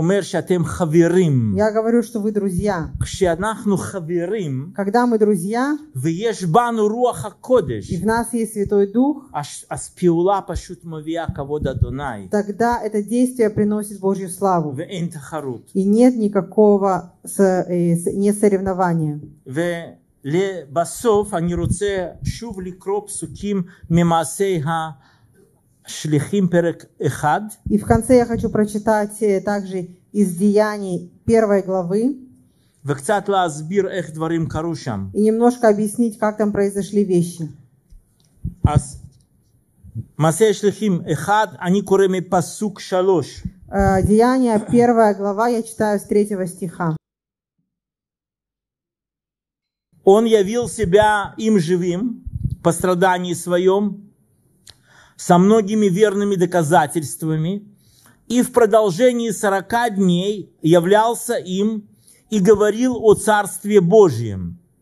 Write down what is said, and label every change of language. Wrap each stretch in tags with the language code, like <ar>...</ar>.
<ru>Я говорю, что вы друзья. Когда мы друзья, и в нас есть Святой Дух, тогда это действие приносит Божью славу. И нет никакого соревнования.</ru> <he>לבסוף, אני רוצה שוב לקרוא פסוקים ממעשי ה... Шлихим, перек, эхад.</he> <ru>И в конце я хочу прочитать также из Деяний первой главы.</ru> <he>וקצת להסביר איך דברים קרו שם.</he> <ru>И немножко объяснить, как там произошли вещи.</ru> <he>אז, מעשה שליחים, אחד, אני קורא מפסוק שלוש.</he> <ru>Деяния, первая глава, я читаю с третьего стиха. Он явил себя им живым по страдании своем, со многими верными доказательствами, и в продолжении 40 дней являлся им и говорил о Царстве Божьем.</ru>